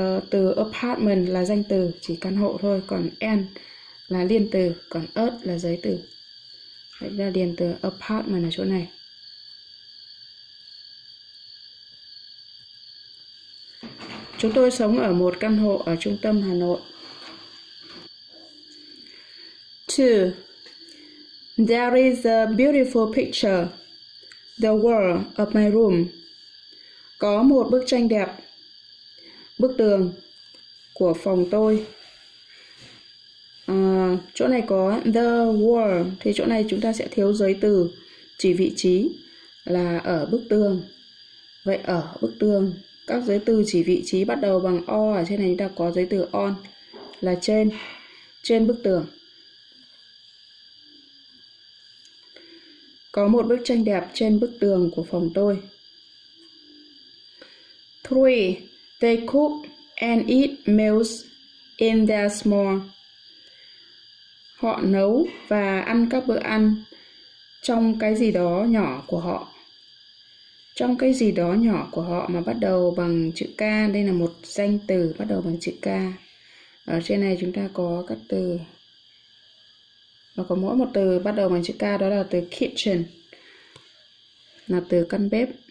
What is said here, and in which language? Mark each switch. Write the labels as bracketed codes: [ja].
[vi] Từ apartment là danh từ, chỉ căn hộ thôi. Còn an là liên từ, còn ớt là giới từ. Vậy ra điền từ apartment ở chỗ này. Chúng tôi sống ở một căn hộ ở trung tâm Hà Nội. [en] Two, there is a beautiful picture, the wall of my room. [vi] Có một bức tranh đẹp, bức tường của phòng tôi. Chỗ này có [en] the wall, [vi] thì chỗ này chúng ta sẽ thiếu giới từ, chỉ vị trí là ở bức tường. Vậy ở bức tường, các giới từ chỉ vị trí bắt đầu bằng o, ở trên này chúng ta có giới từ on, là trên, trên bức tường. Có một bức tranh đẹp trên bức tường của phòng tôi. [en] Three, they cook and eat meals in their small. [vi] Họ nấu và ăn các bữa ăn trong cái gì đó nhỏ của họ. Trong cái gì đó nhỏ của họ mà bắt đầu bằng chữ K. Đây là một danh từ bắt đầu bằng chữ K. Ở trên này chúng ta có các từ. Và có mỗi một từ bắt đầu bằng chữ K, đó là từ kitchen, là từ căn bếp.